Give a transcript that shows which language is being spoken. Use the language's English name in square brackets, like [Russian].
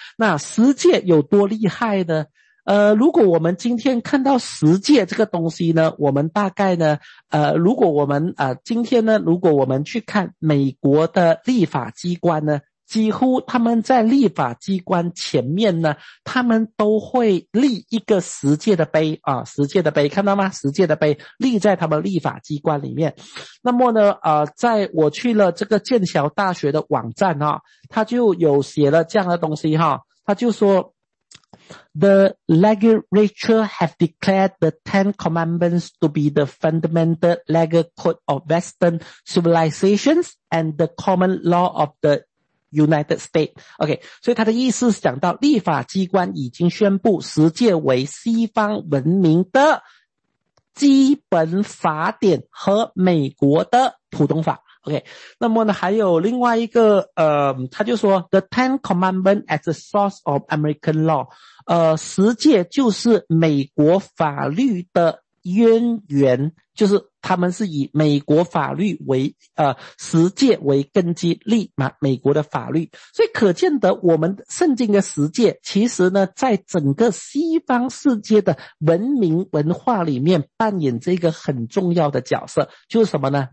[Chinese] 那十诫有多厉害呢？如果我们今天看到十诫这个东西呢，我们大概呢，如果我们今天呢，如果我们去看美国的立法机关呢，几乎他们在立法机关前面呢，他们都会立一个十诫的碑啊，十诫的碑，看到吗？十诫的碑立在他们立法机关里面。那么呢，在我去了这个剑桥大学的网站啊，他就有写了这样的东西哈，他就说。 [English] The legislature have declared the Ten Commandments to be the fundamental legal code of Western civilizations and the common law of the United States. [Chinese] OK， 所以他的意思是讲到立法机关已经宣布十诫为西方文明的基本法典和美国的普通法。 OK， 那么呢，还有另外一个，他就说 [English] The Ten Commandments as the source of American law。 [Chinese] 十诫就是美国法律的渊源，就是他们是以美国法律为十诫为根基立嘛美国的法律。所以可见得我们圣经的十诫其实呢在整个西方世界的文明文化里面扮演这个很重要的角色，就是什么呢？